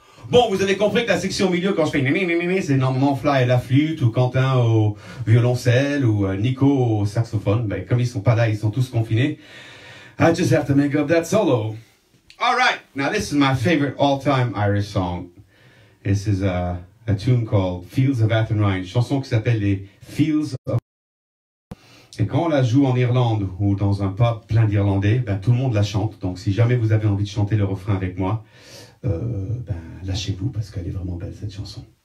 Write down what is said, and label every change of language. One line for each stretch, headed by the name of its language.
French: Bon, vous avez compris que la section au milieu, quand je fais ni, c'est normalement Fly à la flûte, ou Quentin au violoncelle, ou Nico au saxophone. Ben, comme ils sont pas là, ils sont tous confinés.
English: I just have to make up that solo. All right, now this is my favorite all-time Irish song. This is a tune called Fields of Athenry,
French: une chanson qui s'appelle les Fields of Et quand on la joue en Irlande, ou dans un pub plein d'Irlandais, ben tout le monde la chante. Donc si jamais vous avez envie de chanter le refrain avec moi, ben, lâchez-vous parce qu'elle est vraiment belle cette chanson.